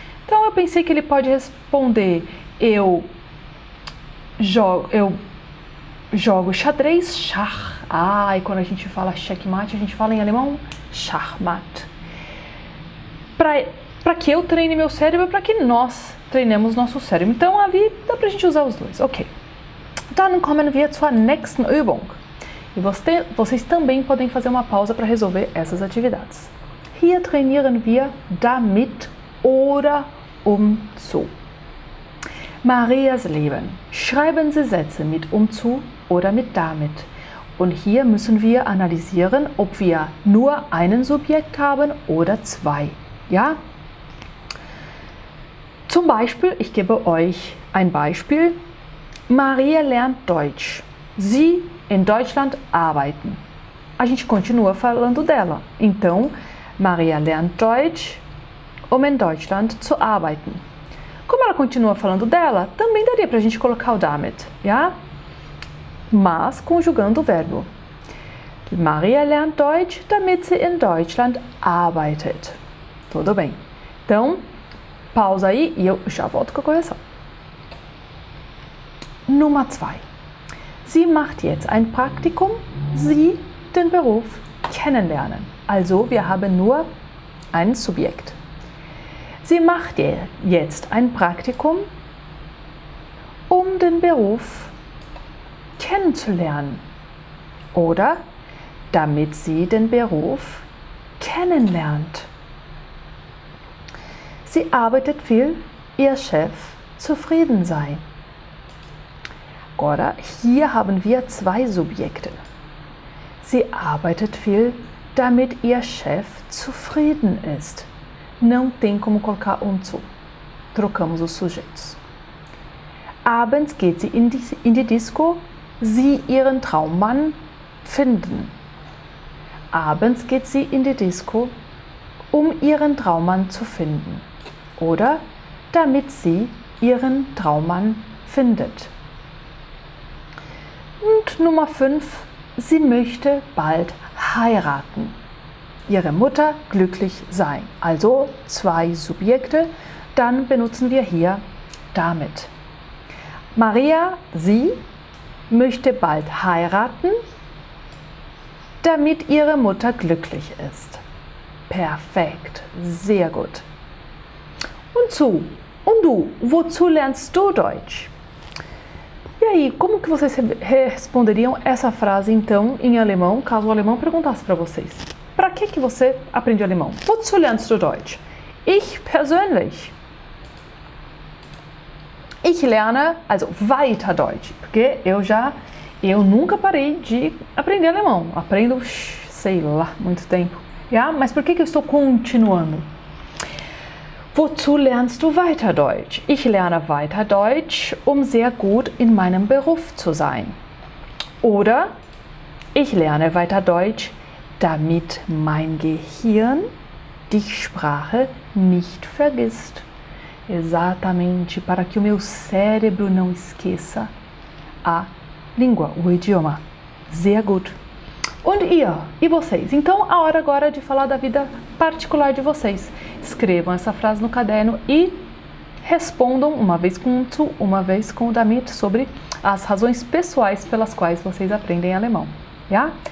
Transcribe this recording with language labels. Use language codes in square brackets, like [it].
[pt] Então eu pensei que ele pode responder eu jogo xadrez, Schach. Ah, e quando a gente fala checkmate, a gente fala em alemão Schachmatt. Para que eu treine meu cérebro, para que nós treinemos nosso cérebro. Então a vi dá pra gente usar os dois. Ok. Dann kommen wir zur nächsten Übung. E vocês também podem fazer uma pausa para resolver essas atividades. [de] Hier trainieren wir damit oder um zu. Marias Leben. Schreiben Sie Sätze mit um zu oder mit damit. Und hier müssen wir analysieren, ob wir nur einen Subjekt haben oder zwei. Ja? Zum Beispiel, ich gebe euch ein Beispiel. Maria lernt Deutsch. Sie in Deutschland arbeiten. [pt] A gente continua falando dela. Então, [de] Maria lernt Deutsch, um in Deutschland zu arbeiten. [pt] Como ela continua falando dela, também daria para a gente colocar o damit, ja? Mas conjugando o verbo. [de] Maria lernt Deutsch, damit sie in Deutschland arbeitet. [pt] Tudo bem. Então, pausa aí e eu já volto com a correção. [de] Nummer 2. Sie macht jetzt ein Praktikum, sie den Beruf kennenlernen. Also, wir haben nur ein Subjekt. Sie macht jetzt ein Praktikum, um den Beruf kennenzulernen. Oder damit sie den Beruf kennenlernt. Sie arbeitet viel, ihr Chef zufrieden sei. Agora, hier haben wir zwei Subjekte. Sie arbeitet viel, damit ihr Chef zufrieden ist. [pt] Não tem como colocar um zu. Trocamos os sujeitos. [de] Abends geht sie in die Disco, sie ihren Traummann finden. Abends geht sie in die Disco, um ihren Traummann zu finden. Oder damit sie ihren Traummann findet. Und Nummer 5, sie möchte bald heiraten. Ihre Mutter glücklich sein. Also zwei Subjekte, dann benutzen wir hier damit. Maria, sie möchte bald heiraten, damit ihre Mutter glücklich ist. Perfekt, sehr gut. Und du, wozu lernst du Deutsch? [pt] E aí, como que vocês responderiam essa frase, então, em alemão, caso o alemão perguntasse para vocês? Para que que você aprende alemão? [de] Wozu lernst du Deutsch? Ich persönlich. Ich lerne, also weiter Deutsch. [pt] Porque eu nunca parei de aprender alemão. Aprendo, sei lá, muito tempo. Ja? Mas por que que eu estou continuando? [de] Wozu lernst du weiter Deutsch? Ich lerne weiter Deutsch, um sehr gut in meinem Beruf zu sein. Oder ich lerne weiter Deutsch, damit mein Gehirn die Sprache nicht vergisst. [pt] Exatamente, para que o meu cérebro não esqueça a língua, o idioma. [de] Sehr gut. Und ihr? [pt] E vocês? Então, a hora agora de falar da vida particular de vocês. Escrevam essa frase no caderno e respondam uma vez com um zu, uma vez com o damit, sobre as razões pessoais pelas quais vocês aprendem alemão. Ja?